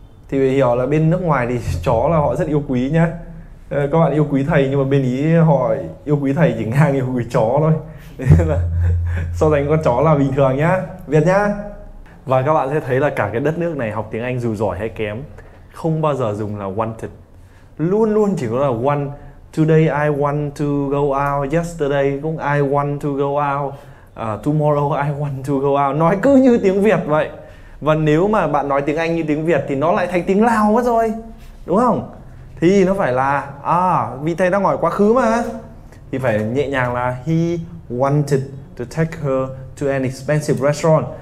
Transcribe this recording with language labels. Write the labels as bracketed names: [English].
[Vietnamese] Thì phải hiểu là bên nước ngoài thì chó là họ rất yêu quý nhá. Các bạn yêu quý thầy nhưng mà bên ý họ yêu quý thầy chỉ ngang yêu quý chó thôi. So sánh con chó là bình thường nhá, Việt nhá. Và các bạn sẽ thấy là cả cái đất nước này học tiếng Anh dù giỏi hay kém không bao giờ dùng là wanted. Luôn luôn chỉ có là [English] want. Today I want to go out. Yesterday [Vietnamese] cũng [English] I want to go out. Tomorrow I want to go out. [Vietnamese] Nói cứ như tiếng Việt vậy. Và nếu mà bạn nói tiếng Anh như tiếng Việt thì nó lại thành tiếng Lào mất rồi. Đúng không? Thì nó phải là vì thầy đang hỏi quá khứ mà. Thì phải nhẹ nhàng là [English] he wanted to take her to an expensive restaurant.